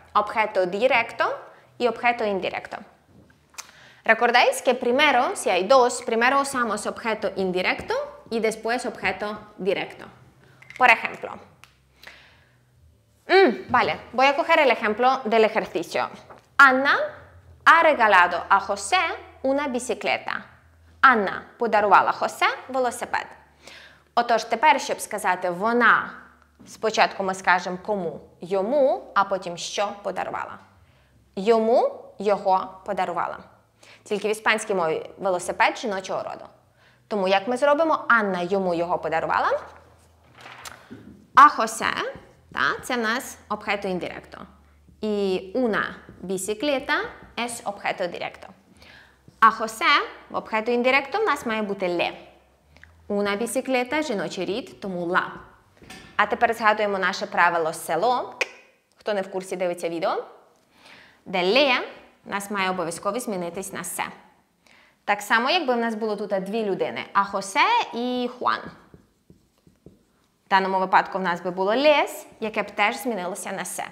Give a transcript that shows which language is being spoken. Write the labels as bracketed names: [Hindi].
[Spanish] Objeto directo y objeto indirecto. Recordáis que primero, si hay dos, primero usamos objeto indirecto y después objeto directo. Por ejemplo. Vale, voy a coger el ejemplo del ejercicio. Anna ha regalado a José una bicicleta. [Ukrainian] Anna подарувала José велосипед. Отож, тепер, щоб сказати «вона», спочатку ми скажемо «кому?» «Йому», а потім «що подарувала?» «Йому його подарувала». Тільки в іспанській мові велосипед жіночого роду. Тому як ми зробимо? Анна йому його подарувала. А Хосе, та, це в нас об'єкто індиректо. І [Spanish] «una bicicleta» [Ukrainian] – es об'єкто директо. А Хосе в об'єкто індиректо в нас має бути «le». Una bicicleta – жіночий рід, тому la. А тепер згадуємо наше правило село. Хто не в курсі, дивиться відео. Де le – нас має обов'язково змінитись на se. Так само, якби в нас було тут дві людини – Ахосе і Хуан. В даному випадку в нас би було les, яке б теж змінилося на se.